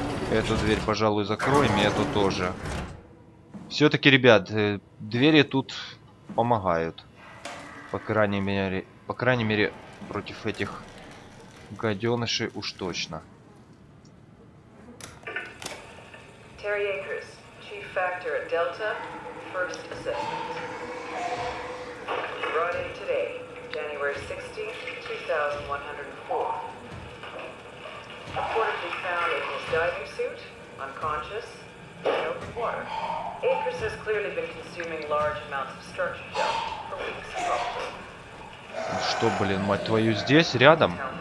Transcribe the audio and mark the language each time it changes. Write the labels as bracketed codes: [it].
[ru] Эту дверь, пожалуй, закроем, и эту тоже. Все-таки, ребят, двери тут помогают. По крайней мере, против этих гаденышей уж точно. [en] Terry Akers, chief factor at Delta, first assessment. Brought in today, January 16th, 2104. Reportedly found in his diving suit, unconscious, in open water. Akers has clearly been consuming large amounts of structure gel for weeks, probably. [ru] Что, блин, мать твою, здесь, рядом?